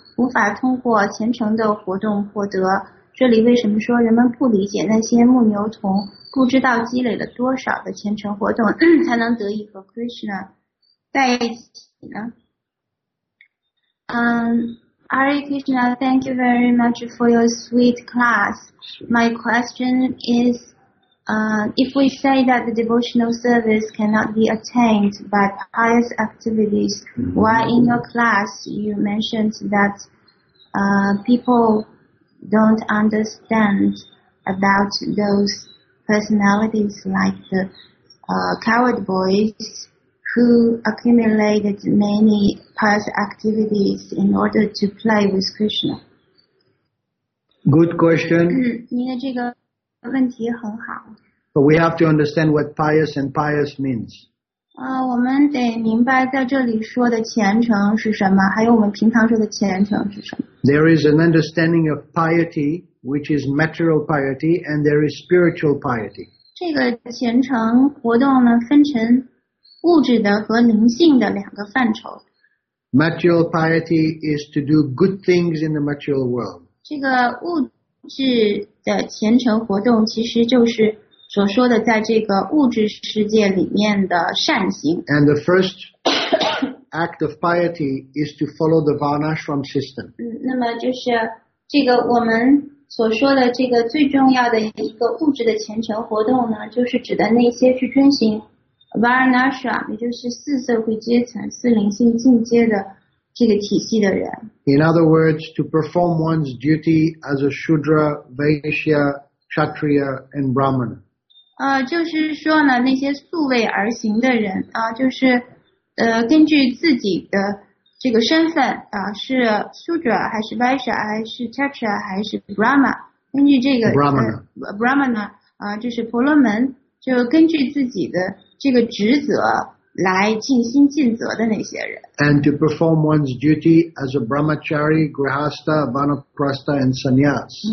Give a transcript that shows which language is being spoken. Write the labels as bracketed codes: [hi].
[zh] 无法通过虔诚的活动获得，这里为什么说人们不理解那些牧牛童不知道积累了多少的虔诚活动才能得以和 Krishna 在一起呢？ [en] Hare Krishna, thank you very much for your sweet class. My question is, if we say that the devotional service cannot be attained by pious activities, why in your class you mentioned that people don't understand about those personalities like the coward boys who accumulated many pious activities in order to play with Krishna? Good question. [zh] 您的这个问题很好。 [en] But we have to understand what pious and pious means. [zh] 我们得明白在这里说的虔诚是什么，还有我们平常说的虔诚是什么。 [en] There is an understanding of piety which is material piety, and there is spiritual piety. [zh] 这个虔诚活动呢，分成物质的和灵性的两个范畴。 [en] Material piety is to do good things in the material world. [zh] 这个物质的虔诚活动其实就是所说的在这个物质世界里面的善行。 [en] And the first act of piety is to follow the Varnashram system. [zh] 那么就是这个我们所说的这个最重要的一个物质的虔诚活动呢，就是指的那些去遵循Varnashram, 也就是四社会阶层、四灵性进阶的这个体系的人。 [en] In other words, to perform one's duty as a Shudra, Vaishya, Kshatriya, and Brahmana. [zh] 就是说呢，那些素位而行的人啊，就是根据自己的这个身份啊，是 Shudra 还是 Vaishya 还是 Kshatriya 还是 Brahma, 根据这个 [en] Brahmana [zh] 啊，就是婆罗门，就根据自己的这个职责来尽心尽责的那些人。 [en] And to perform one's duty as a brahmachari, grihastha, vanaprastha, and sannyas.